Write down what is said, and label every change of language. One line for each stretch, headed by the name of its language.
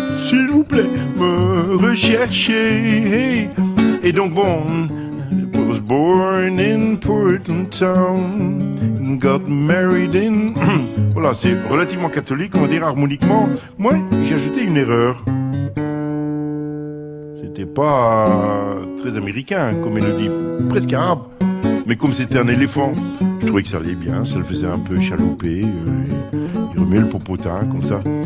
French: s'il vous plaît, me rechercher. Et donc bon,
English: I was born in Portland Town, got married in...
French: Voilà, c'est relativement catholique, on va dire harmoniquement. Moi, j'ai ajouté une erreur. C'était pas très américain comme mélodie, presque arabe. Mais comme c'était un éléphant, je trouvais que ça allait bien, ça le faisait un peu chaloper, il remuait le popotin comme ça.